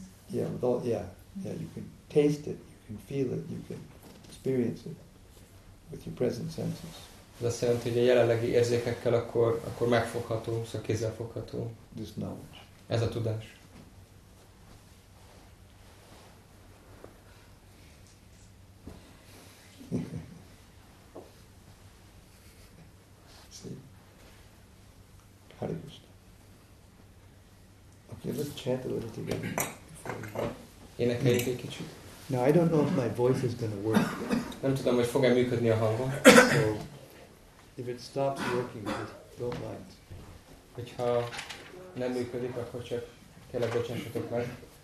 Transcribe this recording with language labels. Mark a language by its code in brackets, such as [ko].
[en] Yeah, you can taste it, you can feel it, you can experience it with your present senses. [hu] Ez azt jelenti, hogy a jelenlegi érzékekkel akkor megfogható, szóval kézzel fogható. [en] This knowledge. [hu] Ez a tudás. [en] Hare Krishna. Okay, let's chant a little together. [hu] Énekeljük egy kicsit. [en] Now, I don't know if my voice is going to work. [hu] Nem tudom, hogy fog-e működni a hangom. [en] So, if it stops working, just don't mind. [hu] Hogyha nem működik, akkor csak kérlek, bocsássatok meg.